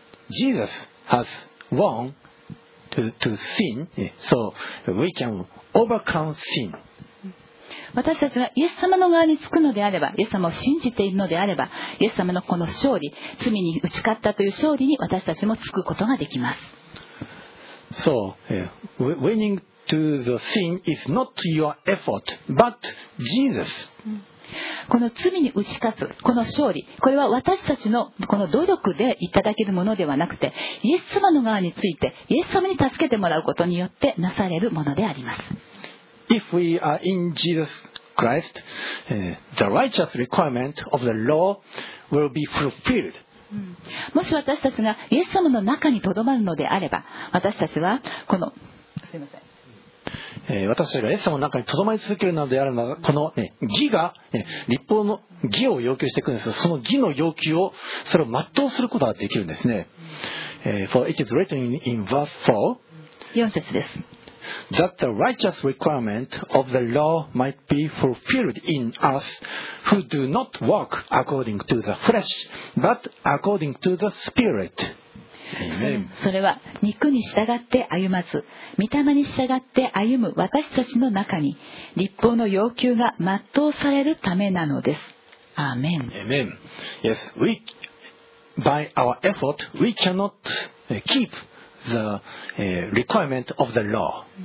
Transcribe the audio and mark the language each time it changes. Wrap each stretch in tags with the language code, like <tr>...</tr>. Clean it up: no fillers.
<en>Jesus has won to sin, so we can overcome sin.</en> <ja>私たちがイエス様の側につくのであれば、イエス様を信じているのであれば、イエス様のこの勝利、罪に打ち勝ったという勝利に私たちもつくことができます。</ja> <en>So, winning to the sin is not your effort, but Jesus.</en> <ja>この罪に打ち勝つこの勝利、これは私たちのこの努力でいただけるものではなくて、イエス様の側についてイエス様に助けてもらうことによってなされるものであります。</ja> <en>If we are in Jesus Christ, the righteous requirement of the law will be fulfilled.</en> <ja>もし私たちがイエス様の中にとどまるのであれば、私たちはこの、すいません、私がイエス様の中にとどまり続けるのであるのは、この、ね、義が、立法の義を要求していくんです。その義の要求をそれを全うすることができるんですね。</ja> <en>For it is written in verse 4.</en> <ja>4節です。</ja> <en>That the righteous requirement of the law might be fulfilled in us who do not walk according to the flesh but according to the spirit.</en> <ja>それは肉に従って歩まず御霊に従って歩む私たちの中に立法の要求が全うされるためなのです。アーメン。</ja> <en>Amen. Yes, we, by our effort, we cannot keep the requirement of the law.</en>